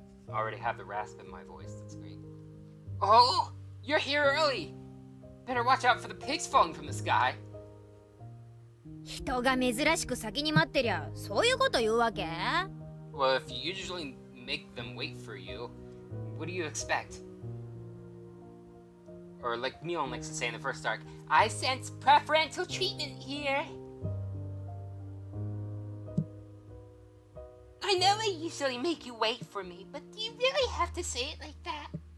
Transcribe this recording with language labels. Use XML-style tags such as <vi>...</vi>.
<en>I already have the rasp in my voice, that's great. Oh, you're here early! Better watch out for the pigs falling from the sky!</en> <ja>人が珍しく先に待ってりゃ、そういうこと言うわけ?</ja> <en>Well, if you usually make them wait for you, what do you expect? Or like Mion likes to say in the first arc, I sense preferential treatment here. I know I usually make you wait for me, but do you really have to say it like that?</en>